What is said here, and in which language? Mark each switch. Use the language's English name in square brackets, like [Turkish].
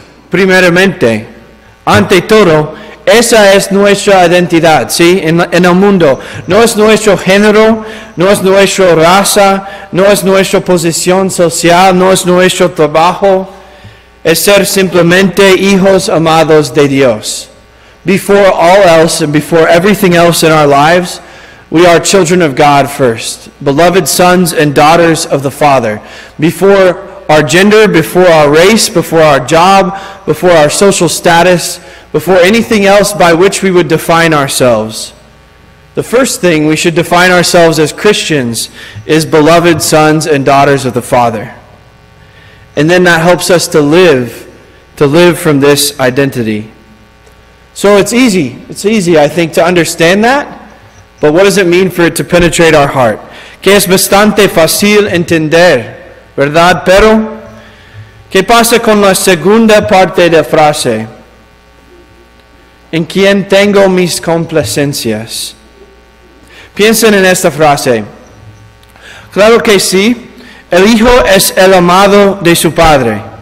[Spanish] Primeramente, ante todo, esa es nuestra identidad, ¿sí? En el mundo. No es nuestro género, no es nuestra raza, no es nuestra posición social, no es nuestro trabajo. Es ser simplemente hijos amados de Dios. [English] Before all else and before everything else in our lives, we are children of God first, beloved sons and daughters of the Father. Before our gender, before our race, before our job, before our social status, before anything else by which we would define ourselves, the first thing we should define ourselves as Christians is beloved sons and daughters of the Father. And then that helps us to live from this identity. So it's easy, I think, to understand that. But what does it mean for it to penetrate our heart? [Spanish] Que es bastante fácil entender, ¿verdad? Pero, ¿qué pasa con la segunda parte de la frase? En quien tengo mis complacencias. Piensen en esta frase. Claro que sí, el Hijo es el amado de su Padre.